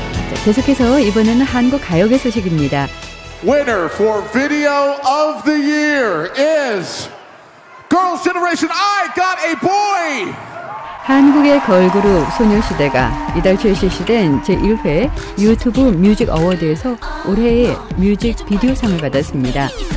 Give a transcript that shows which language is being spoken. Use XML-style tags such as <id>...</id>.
<ko>자, 계속해서 이번에는 한국 가요계 소식입니다.</ko> <en>Winner for Video of the Year is Girls' Generation, I Got a Boy!</en> <ko>한국의 걸그룹 소녀시대가 이달 출시된 제1회 유튜브 뮤직 어워드에서 올해의 뮤직 비디오상을 받았습니다.</ko>